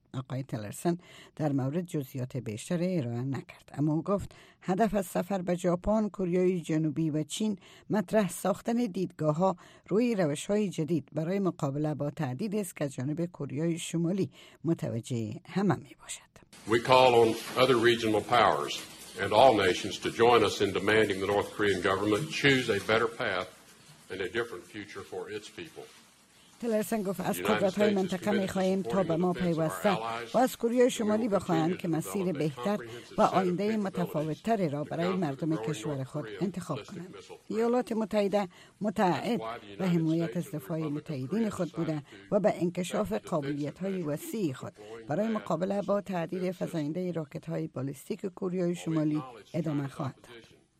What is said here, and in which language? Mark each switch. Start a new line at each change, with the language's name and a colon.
Persian: آقای تلرسن در مورد جزئیات بیشتر ارائه نکرد، اما او گفت هدف از سفر به ژاپن، کره جنوبی و چین مطرح ساختن دیدگاه‌ها روی روش‌های جدید برای مقابله با تهدید است که از جانب کره شمالی متوجه همه می‌باشد.
English: We call on other regional powers and all nations to join us in demanding the North Korean government choose a better path and a different future for its people.
Persian: تلرسن گفت از قدرت‌های منطقه می‌خواهیم تا به ما پیوسته و از کره شمالی بخواهند که مسیر بهتر و آینده متفاوت‌تری را برای مردم کشور خود انتخاب کنند. ایالات متحده متعهد به حمایت از دفاع متحدین خود بوده و به انکشاف قابلیت‌های وسیع خود برای مقابله با تهدید فزاینده راکت‌های بالستیک کره شمالی ادامه خواهد داد.